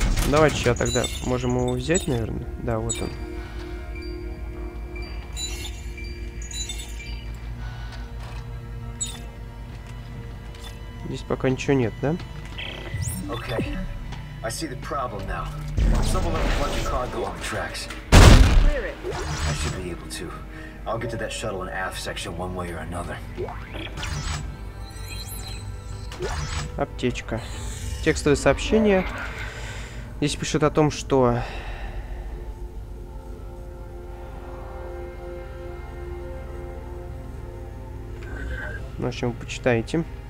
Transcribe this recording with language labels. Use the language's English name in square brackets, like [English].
[Russian] Давайте сейчас тогда можем его взять, наверное. Да, вот он. Здесь пока ничего нет, да? [English] Okay. I see the problem now. Someone left a bunch of cargo on the tracks. I should be able to. I'll get to that shuttle in aft section one way or another. [Russian] Аптечка. Текстовое сообщение. Здесь пишут о том, что Ну, в общем, вы почитаете.